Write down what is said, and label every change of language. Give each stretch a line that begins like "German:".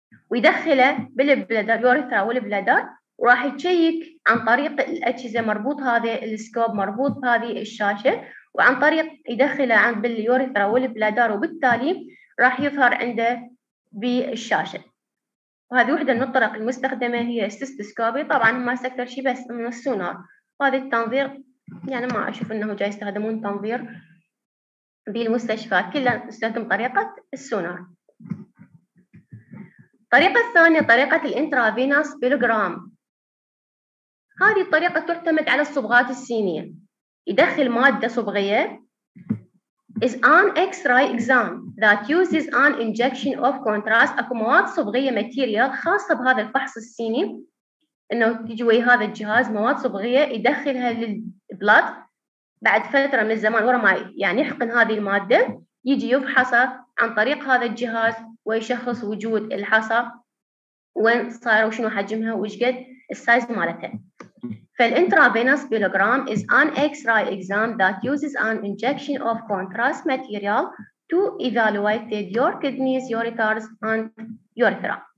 Arabic: ويدخله بالبلادر يوريثرا والبلادر وراح يشيك عن طريق الأجهزة مربوط هذه السكوب مربوط هذه الشاشة وعن طريق يدخله عن باليوريثرا والبلادر وبالتالي راح يظهر عنده بالشاشة وهذه واحدة من الطرق المستخدمة هي السيستوسكوبي طبعا ما سكر شيء بس من السونار وهذا التنظير يعني ما أشوف أنه جاي يستخدمون تنظير بالمستشفى كلها تستخدم طريقة السونار. طريقة الثانية طريقة الانترافينوس بلوغرام. هذه الطريقة تعتمد على الصبغات السينية. يدخل مادة صبغية.
English: Is an X-ray exam that uses an injection of contrast.
Arabic: أكو مواد صبغية ماتيريال خاصة بهذا الفحص السيني. إنه تيجي ويا هذا الجهاز مواد صبغية يدخلها للبلاد. بعد فترة من الزمان ورا ما يعني يحقن هذه المادة يجي يفحصها عن طريق هذا الجهاز ويشخص وجود الحصى وين صار وشنو حجمها وشقد السايز مالتها فالانترافينوس بيلوغرام
English: is an X-ray exam that uses an injection of contrast material to evaluate your kidneys, ureters and urethra